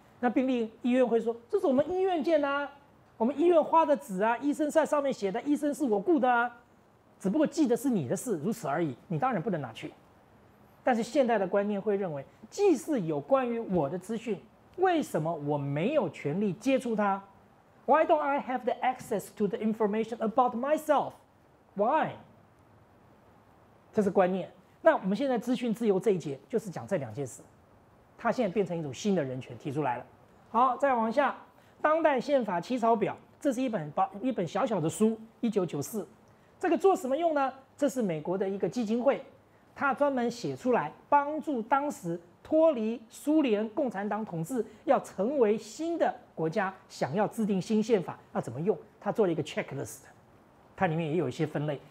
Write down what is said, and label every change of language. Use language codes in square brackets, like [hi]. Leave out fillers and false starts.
[zh] 那病历医院会说，这是我们医院建的啊，我们医院花的纸啊，医生在上面写的，医生是我雇的啊，只不过记得是你的事，如此而已，你当然不能拿去。但是现代的观念会认为，既是有关于我的资讯，为什么我没有权利接触它？ [en] Why don't I have the access to the information about myself? [zh] Why? 这是观念。那我们现在资讯自由这一节就是讲这两件事，它现在变成一种新的人权提出来了。好，再往下，当代宪法起草表，这是一本小小的书，1994，这个做什么用呢？这是美国的一个基金会，他专门写出来帮助当时脱离苏联共产党统治要成为新的国家想要制定新宪法要怎么用，他做了一个 checklist， 他里面也有一些分类。